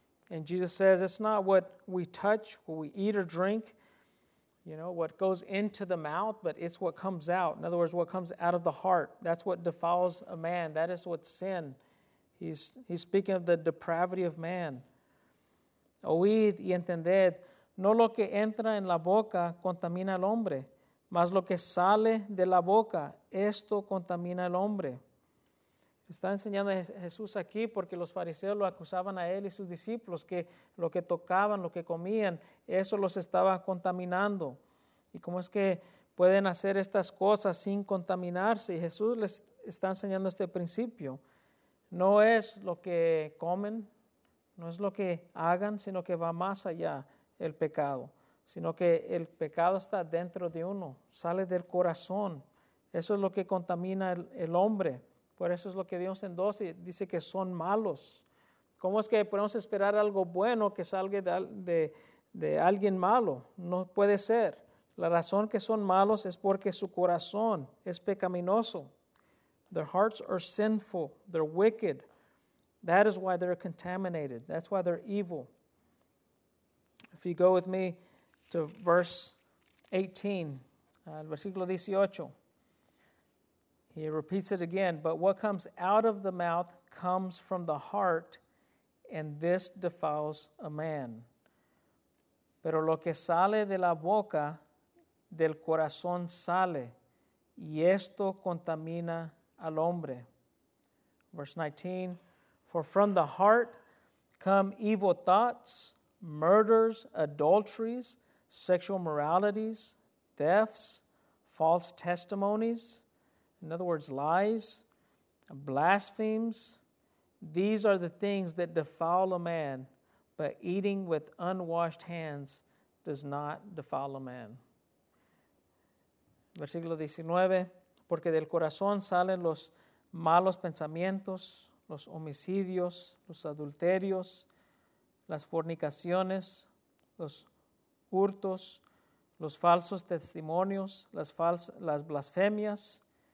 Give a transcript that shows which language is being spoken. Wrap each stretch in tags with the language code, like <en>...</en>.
<en>And Jesus says, it's not what we touch, what we eat or drink, you know, what goes into the mouth, but it's what comes out. In other words, what comes out of the heart. That's what defiles a man. That is what sin. He's speaking of the depravity of man.</en> <es>Oíd y entended. No lo que entra en la boca contamina al hombre, mas lo que sale de la boca, esto contamina al hombre. Está enseñando Jesús aquí porque los fariseos lo acusaban a él y sus discípulos que lo que tocaban, lo que comían, eso los estaba contaminando. ¿Y cómo es que pueden hacer estas cosas sin contaminarse? Y Jesús les está enseñando este principio. No es lo que comen, no es lo que hagan, sino que va más allá. El pecado, sino que el pecado está dentro de uno, sale del corazón. Eso es lo que contamina el hombre. Por eso es lo que vimos en 12, dice que son malos. ¿Cómo es que podemos esperar algo bueno que salga de alguien malo? No puede ser. La razón que son malos es porque su corazón es pecaminoso.</es> <en>Their hearts are sinful. They're wicked. That is why they're contaminated. That's why they're evil. If you go with me to verse 18,</en> <es>el versículo 18,</es> <en>he repeats it again. But what comes out of the mouth comes from the heart, and this defiles a man.</en> <es>Pero lo que sale de la boca, del corazón sale, y esto contamina al hombre.</es> <en>Verse 19, for from the heart come evil thoughts, murders, adulteries, sexual immoralities, thefts, false testimonies, in other words, lies, blasphemes. These are the things that defile a man, but eating with unwashed hands does not defile a man.</en> <es>Versículo 19, porque del corazón salen los malos pensamientos, los homicidios, los adulterios, las fornicaciones, los hurtos, los falsos testimonios, las blasfemias.</es>